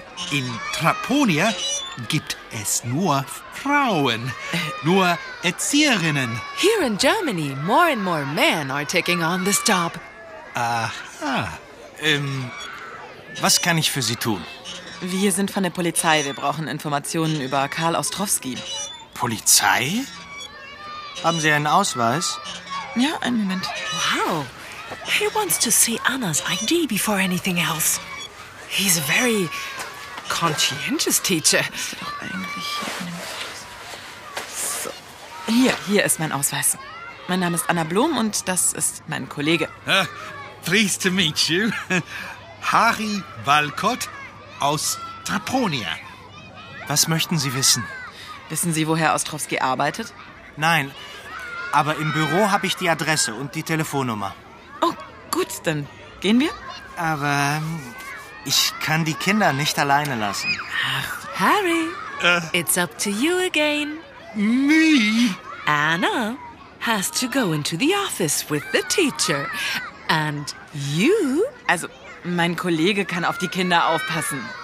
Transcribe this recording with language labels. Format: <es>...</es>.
<de>In Traponia gibt es nur Frauen, nur Erzieherinnen.</de> <en>Here in Germany, more and more men are taking on this job. Aha.</en> <de>Was kann ich für Sie tun? Wir sind von der Polizei. Wir brauchen Informationen über Karl Ostrovsky. Polizei? Haben Sie einen Ausweis? Ja, einen Moment.</de> <en>Wow. He wants to see Anna's ID before anything else. He's a very conscientious teacher.</en> <de>So. Hier ist mein Ausweis. Mein Name ist Anna Blum und das ist mein Kollege.</de> <en>Pleased to meet you. Harry Walcott aus Traponia.</en> <de>Was möchten Sie wissen? Wissen Sie, woher Ostrovsky arbeitet? Nein. Aber im Büro habe ich die Adresse und die Telefonnummer. Oh, gut, dann gehen wir. Aber ich kann die Kinder nicht alleine lassen.</de> <en>Ach, Harry, it's up to you again. Me? Anna has to go into the office with the teacher. And you?</en> <de>Also, mein Kollege kann auf die Kinder aufpassen.</de>